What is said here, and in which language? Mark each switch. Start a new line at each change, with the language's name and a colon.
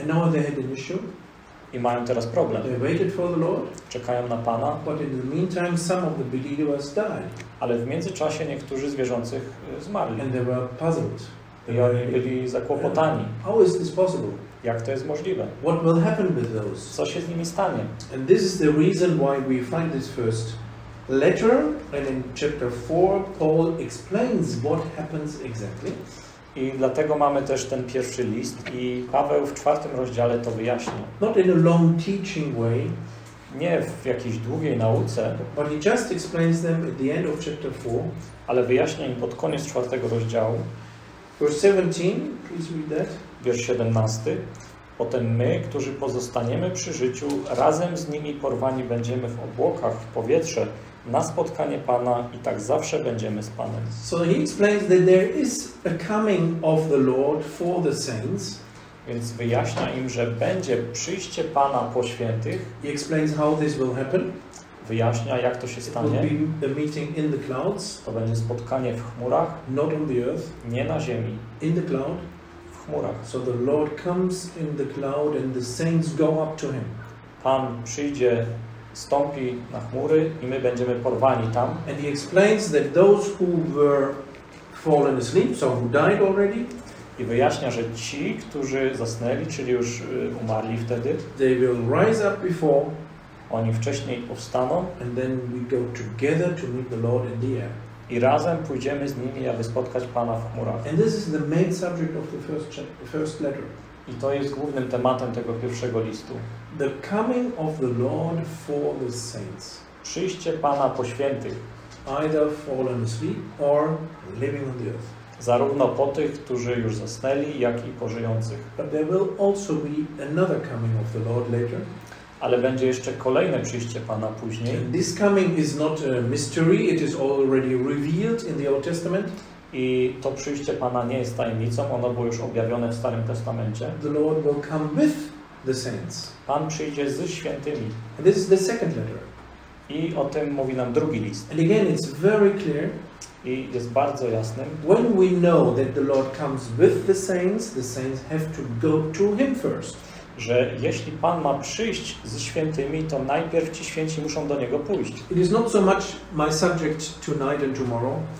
English: And now they had an issue.
Polish: I mają teraz problem.
English: They waited for the Lord.
Polish: Czekają na Pana.
English: But in the meantime, some of the believers died.
Polish: Ale w międzyczasie niektórzy z wierzących zmarli.
English: And they were puzzled.
Polish: I oni byli zakłopotani.
English: How is this possible?
Polish: Jak to jest możliwe?
English: What will happen with those?
Polish: Co się z nimi stanie?
English: And this is the reason why we find this first letter, and in chapter 4 Paul explains what happens exactly.
Polish: I dlatego mamy też ten pierwszy list i Paweł w czwartym rozdziale to wyjaśnia.
English: Not in a long teaching way,
Polish: nie w jakiejś długiej nauce,
English: but he just explains them at the end of chapter 4,
Polish: ale wyjaśnia im pod koniec czwartego rozdziału.
English: Verse 17, please read that.
Polish: Wiersz 17. Potem my, którzy pozostaniemy przy życiu, razem z nimi porwani będziemy w obłokach, w powietrze, na spotkanie Pana i tak zawsze będziemy z Panem.
English: So he explains that there is a coming of the Lord for the saints.
Polish: Więc wyjaśnia im, że będzie przyjście Pana po świętych.
English: He explains how this will happen.
Polish: Wyjaśnia, jak to się stanie.
English: It will be the meeting in the clouds.
Polish: To będzie spotkanie w chmurach.
English: Not on the earth.
Polish: Nie na ziemi.
English: In the cloud.
Polish: Chmurach.
English: So the Lord comes in the cloud and the saints go up to him.
Polish: Pan przyjdzie, stąpi na chmury i my będziemy porwani tam.
English: And he explains that those who were fallen asleep, so who died already,
Polish: i wyjaśnia, że ci, którzy zasnęli, czyli już umarli wtedy,
English: they will rise up before,
Polish: oni wcześniej powstaną,
English: and then we go together to meet the Lord in the air.
Polish: I razem pójdziemy z nimi, aby spotkać Pana w chmurach.
English: And this is the main subject of the first letter.
Polish: I to jest głównym tematem tego pierwszego listu.
English: The coming of the Lord for the saints.
Polish: Przyjście Pana po świętych.
English: Either fallen asleep or living on the earth.
Polish: zarówno po tych, którzy już zasnęli, jak i po żyjących.
English: But there will also be another coming of the Lord later.
Polish: Ale będzie jeszcze kolejne przyjście Pana później.
English: This coming is not a mystery, it is already revealed in the Old Testament.
Polish: I to przyjście Pana nie jest tajemnicą, ono było już objawione w Starym Testamencie.
English: The Lord will come with the saints.
Polish: Pan przyjdzie ze świętymi.
English: And this is the second letter.
Polish: I o tym mówi nam drugi list.
English: And again, it's very clear.
Polish: I jest bardzo jasne.
English: When we know that the Lord comes with the saints have to go to Him first.
Polish: Że jeśli Pan ma przyjść ze świętymi, to najpierw ci święci muszą do Niego pójść.
English: It is not so much my subject tonight and tomorrow.